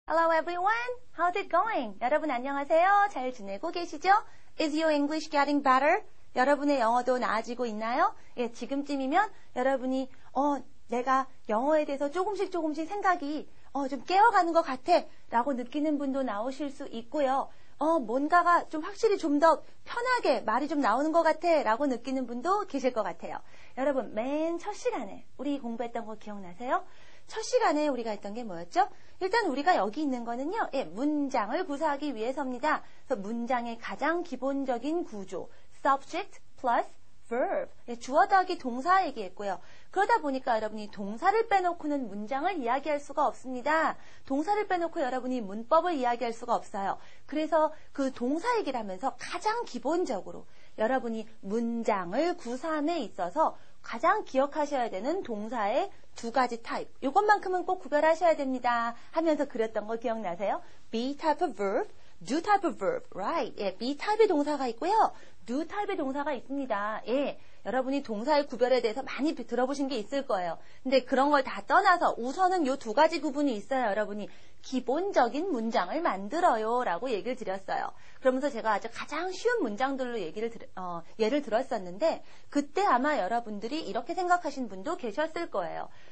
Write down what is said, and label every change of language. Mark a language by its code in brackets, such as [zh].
[en] Hello everyone, how's it going? [ko] 여러분 안녕하세요. 잘 지내고 계시죠? [en] Is your English getting better? [ko] 여러분의 영어도 나아지고 있나요? 예, 지금쯤이면 여러분이 내가 영어에 대해서 조금씩 생각이 좀 깨어가는 것 같아 라고 느끼는 분도 나오실 수 있고요. 뭔가가 좀 확실히 좀 더 편하게 말이 좀 나오는 것 같아 라고 느끼는 분도 계실 것 같아요. 여러분, 맨 첫 시간에 우리 공부했던 거 기억나세요? 첫 시간에 우리가 했던 게 뭐였죠? 일단 우리가 여기 있는 거는요, 문장을 구사하기 위해서입니다. 그래서 문장의 가장 기본적인 구조, [en] subject plus verb, [ko] 주어 더하기 동사 얘기했고요. 그러다 보니까 여러분이 동사를 빼놓고는 문장을 이야기할 수가 없습니다. 동사를 빼놓고 여러분이 문법을 이야기할 수가 없어요. 그래서 그 동사 얘기를 하면서 가장 기본적으로 여러분이 문장을 구사함에 있어서 가장 기억하셔야 되는 동사의 두 가지 타입, 이것만큼은 꼭 구별하셔야 됩니다 하면서 그렸던 거 기억나세요? [en] Be type of verb, do type of verb, right? [ko] 예, be type의 동사가 있고요, do type의 동사가 있습니다. 예, 여러분이 동사의 구별에 대해서 많이 들어보신 게 있을 거예요. 근데 그런 걸 다 떠나서 우선은 요 두 가지 구분이 있어요. 여러분이 기본적인 문장을 만들어요 라고 얘기를 드렸어요. 그러면서 제가 아주 가장 쉬운 문장들로 예를 들었었는데, 그때 아마 여러분들이 이렇게 생각하신 분도 계셨을 거예요.